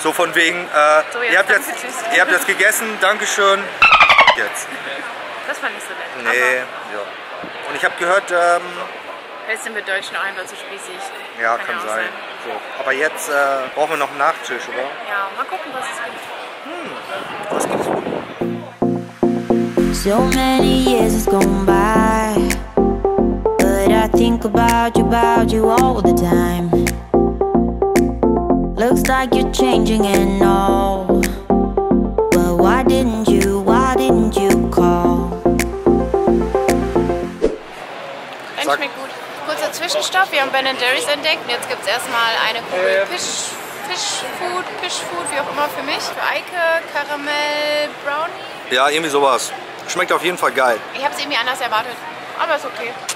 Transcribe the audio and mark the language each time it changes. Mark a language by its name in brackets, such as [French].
[German] So von wegen, ihr habt jetzt gegessen, dankeschön. Jetzt. Das war nicht so nett. Nee, aber ja. Und ich habe gehört, Vielleicht sind wir Deutschen auch einfach zu spießig. Ja, kann sein. So. Aber jetzt brauchen wir noch einen Nachtisch, oder? Ja, mal gucken, was es gibt. Was gibt's? [English] So many years has gone by, but I think about you all the time. Looks like you're changing and all, but why didn't you call? [German] Ben, schmeckt gut. Kurzer Zwischenstopp, wir haben Ben & Jerry's entdeckt und jetzt gibt's erstmal eine Kugel Fischfood, wie auch immer für mich. Für Eike, Karamell, Brownie? Ja, irgendwie sowas. Schmeckt auf jeden Fall geil. Ich habe es irgendwie anders erwartet, aber ist okay.